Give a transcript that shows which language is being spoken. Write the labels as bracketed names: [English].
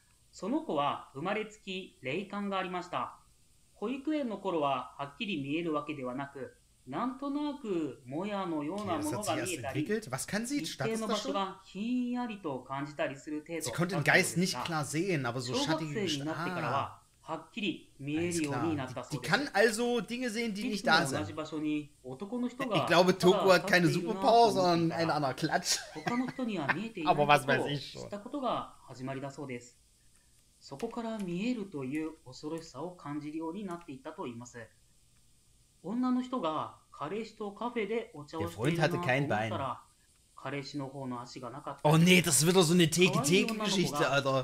[Japanese] その子は生まれつき霊感がありました。保育園の頃ははっきり見えるわけではなく、なんとなくもやのようなものが見えたり、一定の場所がひんやりと感じたりする程度だったそうですが、小学生になってからははっきり見えるようになったそうです。 [German] Die kann also Dinge sehen, die nicht da sind. [Japanese] 同じ場所に男の人が [German] Ich glaube, Toko hat keine Superpower, sondern ein anderer Klatsch. [Japanese] 他の人には見えていないことを知ったことが始まりだそうです。そこから見えるという恐ろしさを感じるようになっていったと言います。女の人が彼氏とカフェでお茶をしているなと思ったら、彼氏の方の足がなかった。 [German] Oh nee, das wird doch so eine Teke-Teke-Geschichte, Alter.